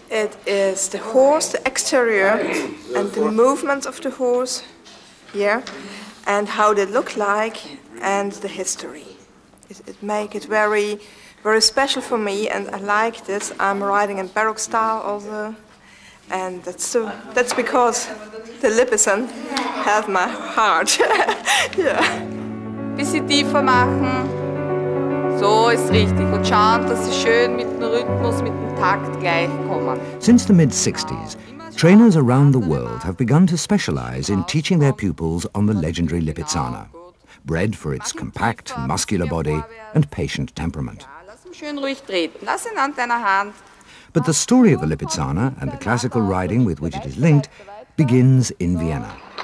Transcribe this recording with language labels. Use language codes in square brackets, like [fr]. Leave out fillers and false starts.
[en] It is the horse, the exterior, and the movements of the horse, yeah, and how they look like, and the history. It makes it very, very special for me, and I like this. I'm riding in Baroque style also, and that's because the Lipizzan has my heart, yeah. [de] Bis sie tiefer machen, so ist richtig. Und schauen, dass sie schön mit dem Rhythmus, mit dem Takt gleich kommen. [en] Since the mid-60s, trainers around the world have begun to specialize in teaching their pupils on the legendary Lipizzana, bred for its compact, muscular body and patient temperament. [de] Lass ihn schön ruhig treten. Lass ihn an deiner Hand. [en] But the story of the Lipizzana and the classical riding with which it is linked begins in Vienna.